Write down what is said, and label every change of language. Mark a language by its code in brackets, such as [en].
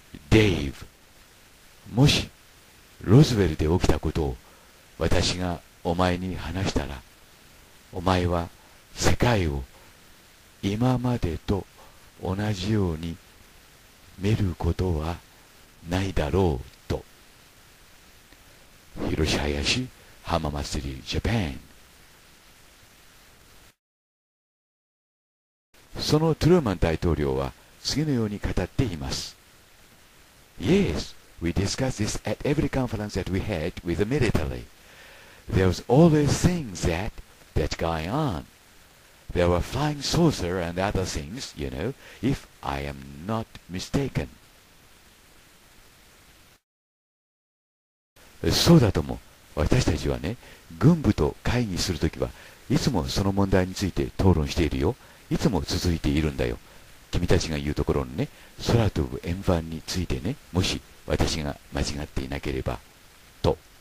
[ja] デイブ、もしロズウェルで起きたことを私がお前に話したら、お前は世界を今までと同じように見ることはないだろう。と、ヒロシハヤシ、ハママスリージャパン。そのトルーマン大統領は次のように語っています。 [en] Yes, we discussed this at every conference that we had with the military. There was always things that going on. There were flying saucer and other things, you know, if I am not mistaken. [ja] そうだとも、私たちはね、軍部と会議するときはいつもその問題について討論しているよ。いつも続いているんだよ。君たちが言うところのね、空飛ぶ円盤についてね、もし私が間違っていなければ、と。